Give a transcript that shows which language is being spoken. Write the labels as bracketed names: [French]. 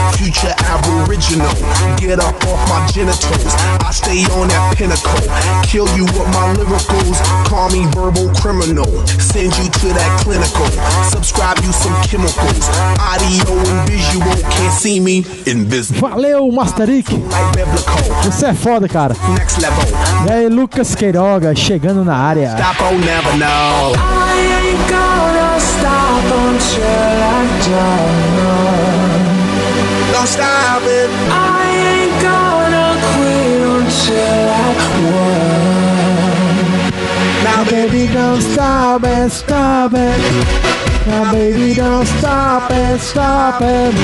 [English] future aboriginal. Get up off my genitals, I stay on that pinnacle. Kill you with my lyricals, call me verbal criminal. Send you to that clinical, subscribe you some chemicals. Audio and visual, can't see me in business. [Portuguese] Valeu, Master Ick. Você é foda, cara. [English] Next level. [Portuguese] E aí, Lucas Queiroga, chegando na área. [English] Stop, I'll never know. I ain't gonna stop until I die. Don't stop it. I ain't gonna quit until I won. Now, baby, don't stop it, stop it. Now, baby, don't stop it, stop it.